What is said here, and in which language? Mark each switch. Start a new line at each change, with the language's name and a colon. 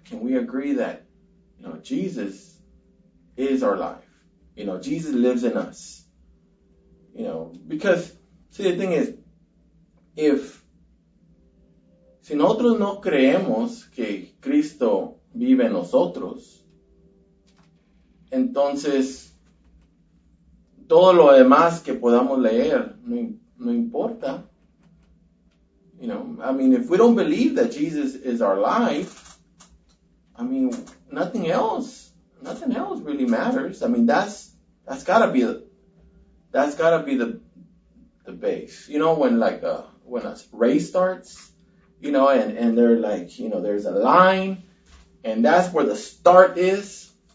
English: Can we agree that, you know, Jesus is our life? You know, Jesus lives in us. You know, because, see, the thing is,
Spanish: si nosotros no creemos que Cristo vive en nosotros, entonces, todo lo demás que podamos leer no importa.
English: You know, I mean, if we don't believe that Jesus is our life, I mean, nothing else really matters. I mean, that's gotta be the base. You know, when a race starts, you know, and they're like, you know, there's a line, and that's where the start is.